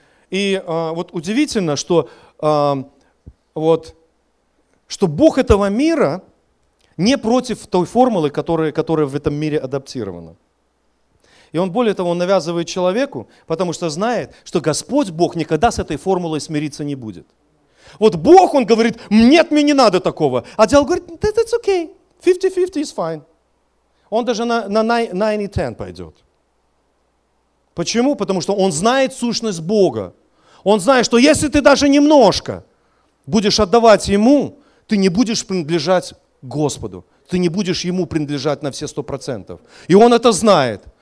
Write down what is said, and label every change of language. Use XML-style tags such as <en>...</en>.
<ru>И вот удивительно, что, вот, что Бог этого мира не против той формулы, которая в этом мире адаптирована. И он, более того, он навязывает человеку, потому что знает, что Господь Бог никогда с этой формулой смириться не будет. Вот Бог, он говорит, нет, мне не надо такого. А дьявол говорит,</ru> <en>that's okay, 50-50 is fine.</en> <ru>Он даже на 9-10 пойдет. Почему? Потому что он знает сущность Бога. Он знает, что если ты даже немножко будешь отдавать ему, ты не будешь принадлежать Господу. Ты не будешь ему принадлежать на все 100%. И он это знает.</ru>